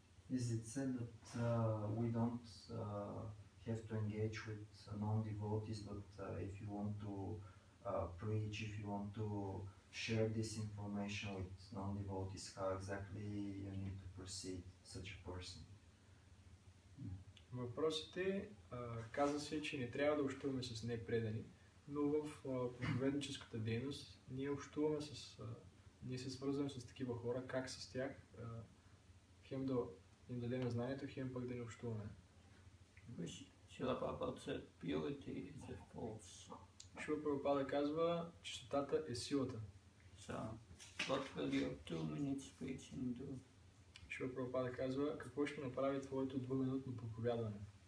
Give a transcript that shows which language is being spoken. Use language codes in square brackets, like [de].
[en] Is it said that we don't have to engage with non-devotees, but if you want to preach, if you want to share this information with non-devotees, how exactly you need to proceed such a person? [bg] Въпросът е, каза се, че не трябва да общуваме с непредани, но в проповедническата дейност ние общуваме с, ние се свързваме с такива хора, как с тях, хем да им дадем знанието, хем пък да не общуваме. [en] Srila Prabhupada said, purity is a force. [bg] Шрила Прабхупада казва, чистотата е силата. [en] So, what will your 2 minutes preaching do? [bg] Шрила Прабхупада казва, какво ще направи твоето 2-минутно проповядване?